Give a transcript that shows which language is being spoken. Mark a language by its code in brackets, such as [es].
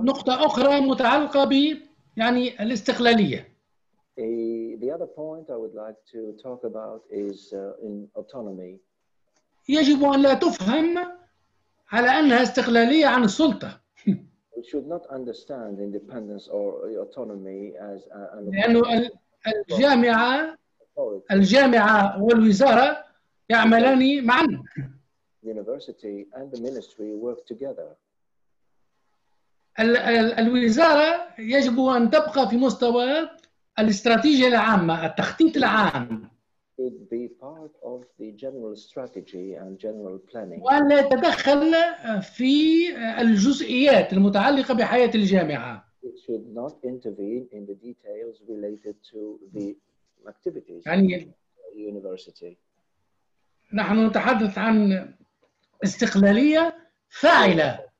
[ar] نقطة أخرى متعلقة ب يعني الاستقلالية. [en] The other point I would like to talk about is in autonomy. [ar] يجب أن لا تفهم على أنها استقلالية عن السلطة. [en] We should not understand independence or autonomy as an [ar] لأنه الجامعة authority. الجامعة والوزارة يعملان معا. [en] The university and the ministry work together. [ar] الوزارة يجب أن تبقى في مستوى الاستراتيجية العامة، التخطيط العام. [en] Should be part of the general strategy and general planning. [ar] وأن لا تدخل في الجزئيات المتعلقة بحياة الجامعة. [en] It should not intervene in the details related to the activities [ar] يعني [en] of the university. [ar] نحن نتحدث عن استقلالية فاعلة.